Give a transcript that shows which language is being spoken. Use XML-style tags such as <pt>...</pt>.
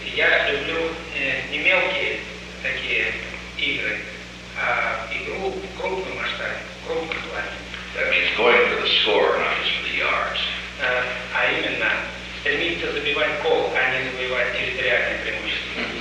<ru>Я люблю не мелкие такие игры, а игру в крупном масштабе, в крупном плане.</ru> <en>That means going for the score, not just for the yards.</en> <ru>А именно, стремиться забивать гол, а не забивать территориальные преимущества.</ru>